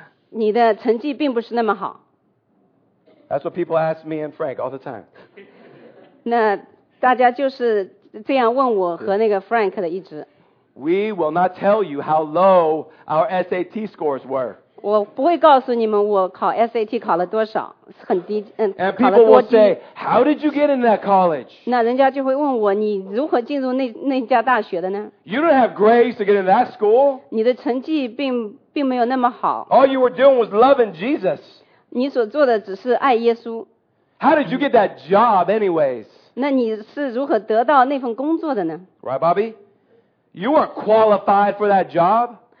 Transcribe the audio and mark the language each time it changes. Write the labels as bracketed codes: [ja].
[zh] 你的成绩并不是那么好。 [en] That's what people ask me and Frank all the time. [zh] 那大家就是这样问我和那个 Frank 的一直。 [en] We will not tell you how low our SAT scores were. [zh] 我不会告诉你们我考 SAT 考了多少，很低， [en] And people will say, how did you get into that college? [zh] 那人家就会问我，你如何进入那家大学的呢？ [en] You don't have grades to get into that school. [zh] 你的成绩并没有那么好。 [en] All you were doing was loving Jesus. [zh] 你所做的只是爱耶稣。 [en] How did you get that job, anyways? [zh] 那你是如何得到那份工作的呢？ [en] Right, Bobby? You weren't qualified for that job.